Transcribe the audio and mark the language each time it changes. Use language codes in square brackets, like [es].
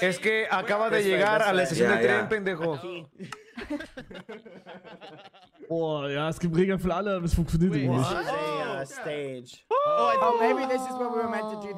[es] Es que acaba de llegar a la estación de tren, pendejo. [de] Boah, ja, es gibt Regeln für alle, aber es funktioniert irgendwie nicht. [en] Stage. Oh, maybe this is what we were meant to do.